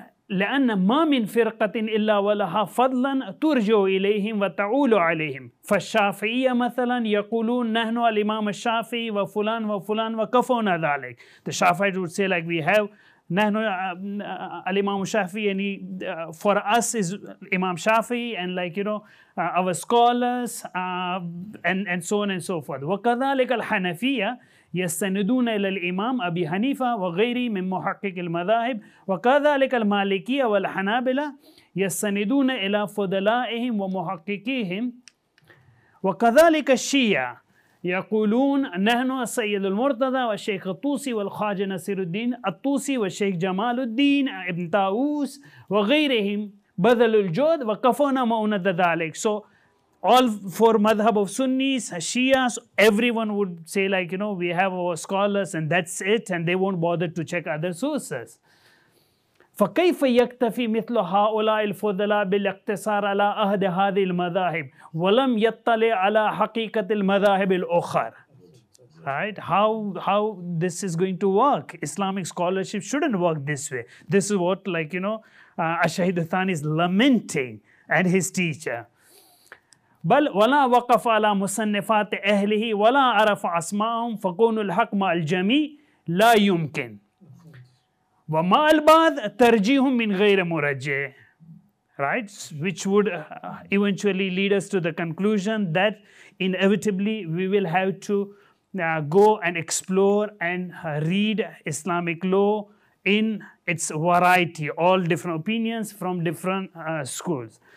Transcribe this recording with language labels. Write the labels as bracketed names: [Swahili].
[Arabic] لأن ما من فرقة إلا ولها فضلا ترجع إليهم وتعول عليهم. فالشافعية مثلا يقولون نحن الإمام الشافعي وفلان وفلان وكفونا ذلك. [English] The Shafi'is would say, like, we have [Arabic] نحن الإمام الشافعي, [English] يعني for us is Imam Shafi, and, like, you know, our scholars and so on and so forth. [Arabic] وكذلك الحنفية يستندون إلى الإمام أبي حنيفة وغيره من محقق المذاهب وكذلك المالكية والحنابلة يستندون إلى فضلائهم ومحققيهم وكذلك الشيعة يقولون نحن السيد المرتضى والشيخ الطوسي والخواجة نصير الدين الطوسي والشيخ جمال الدين ابن طاووس وغيرهم بذلوا الجهد وكفونا مؤونة ذلك. [English] So, all four madhab of Sunnis, Shias, everyone would say, like, you know, we have our scholars and that's it, and they won't bother to check other sources. [Arabic] فكيف يكتفي مثل هؤلاء الفضلاء بالاقتصار على أحد هذه المذاهب ولم يطلع على حقيقة المذاهب الأخرى؟ [English] Right? How this is going to work? Islamic scholarship shouldn't work this way. This is what, like, you know, Ash-Shahid Thani is lamenting at his teacher. [Arabic] بل ولا وقف على مصنفات أهله ولا عرف أسماءهم فكون الحق مع الجميع لا يمكن. وما البعض ترجيهم من غير مرجح. [English] Right? Which would eventually lead us to the conclusion that inevitably we will have to go and explore and read Islamic law in its variety, all different opinions from different schools.